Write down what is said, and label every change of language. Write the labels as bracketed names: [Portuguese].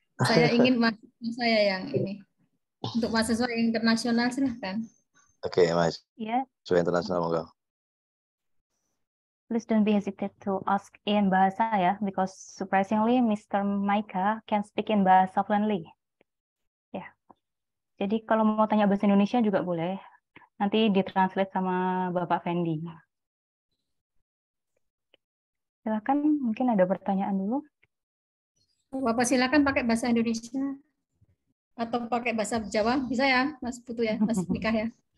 [Indonesian] Saya ingin mahasiswa saya yang ini. Untuk mahasiswa internasional silakan. Oke, okay, Mas. Iya. Yeah. Mahasiswa internasional monggo. [English] Please don't be hesitant to ask in Bahasa ya, because surprisingly, Mr. Micah can speak in Bahasa fluently. [Indonesian] Jadi kalau mau tanya bahasa Indonesia juga boleh. Nanti ditranslate sama Bapak Fendi. Silakan, mungkin ada pertanyaan dulu. Bapak silakan pakai bahasa Indonesia atau pakai bahasa Jawa, bisa ya, Mas Putu ya, Mas Mika ya.